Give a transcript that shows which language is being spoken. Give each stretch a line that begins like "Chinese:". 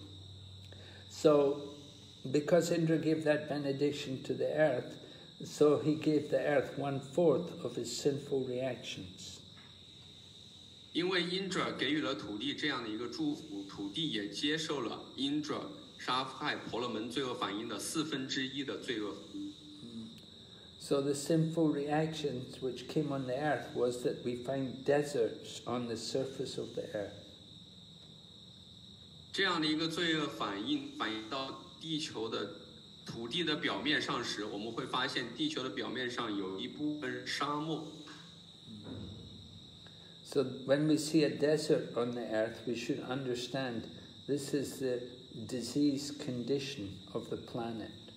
Chinese: 因着给了土地的这个恩惠，就是说，当我们把土地给砍出一条沟壑的时候，过一段时间，这个沟会自动的填平，所以这个是土地所受到的恩惠。So,
English: because Indra gave that benediction to the earth, so he gave the earth 1/4 of his sinful reactions.
Chinese: 因为因着给予了土地这样的一个祝福，土地也接受了因着。
English: So the sinful reactions which came on the earth was that we find deserts on the surface of the earth.
Chinese: 这样的一个罪恶反应到地球的土地的表面上时，我们会发现地球的表面上有一部分沙漠。
English: So when we see a desert on the earth, we should understand this is the disease condition of the planet.